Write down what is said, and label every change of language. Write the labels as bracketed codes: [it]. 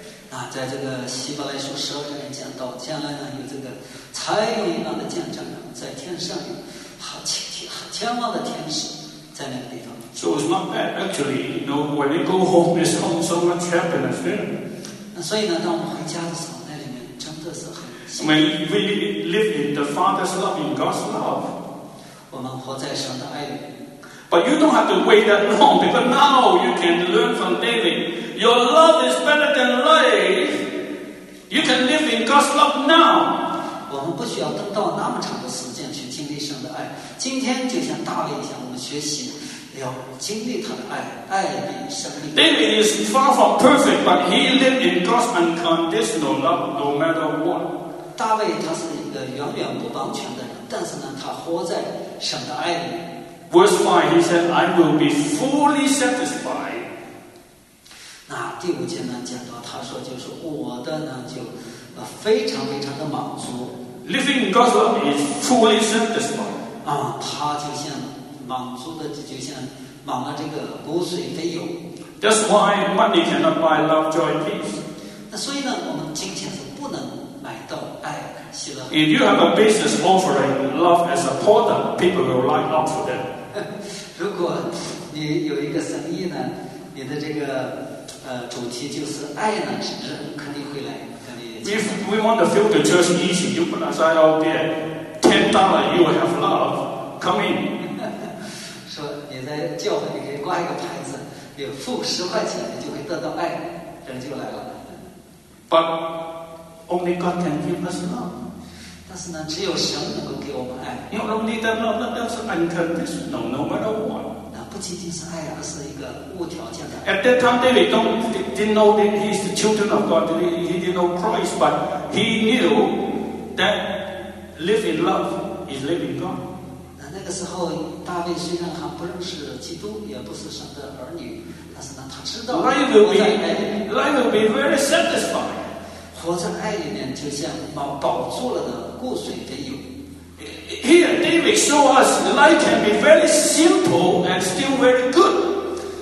[zh] 那在这个希伯来书十二章讲到，将来呢有这个彩云一般的见证呢，在天上有好千万的天使在那个地方。 [en] So it's not bad, actually. You know, when we go home, it's home so much happiness there. [zh] 所以呢，当我们回家的时候，那里面真的是很幸 [en] 福。When we live in the Father's love, in God's love, [zh] 我们活在神的爱里。 [en] But you don't have to wait that long, because now you can learn from David. Your love is better than life. You can live in God's love now. [zh] 我们不需要等到那么长的时间去经历神的爱。今天就像大卫一样，我们学习。 [en] David is far from perfect, but he lived in God's unconditional love no matter what. [zh] 大卫他是一个远远不完全的人，但是呢，他活在神的爱里。 [en] Verse 5, he said, I will be fully satisfied. [zh] 那第五节呢，讲到他说就是我的呢就非常非常的满足。 [en] Living in God's love is fully satisfied. [zh] 啊，他就像满足的，就像满了这个骨髓肥油。 [en] That's why money cannot buy love, joy, and peace. [zh] 那所以呢，我们金钱是不能买到爱、喜乐。 [en] If you have a business offering love as a product, people will line up for that. [zh] 如果你有一个生意呢，你的这个主题就是爱呢，是人肯定会来。 [en] If we want to fill the church easy, you put aside all the $10, you will have love. Come in. [zh] 说你在教会你可以挂一个牌子，有付$10，你就会得到爱，人就来了。 [en] But only God can give us love. [zh] 但是呢，只有神能够给我们爱。 [en] Not only that, not that is unconditional, no matter what. [zh] 那不仅仅是爱，而是一个无条件的。 [en] At that time, David didn't know that he's the children of God. He didn't know Christ, but he knew that living love is living God. [zh] 那个时候，大卫虽然还不认识基督，也不是神的儿女，但是呢，他知道 [en] life will be very satisfied. [zh] 活在爱里面，就像保住了的骨髓肥油。 [en] Here, David show us life can be very simple and still very good.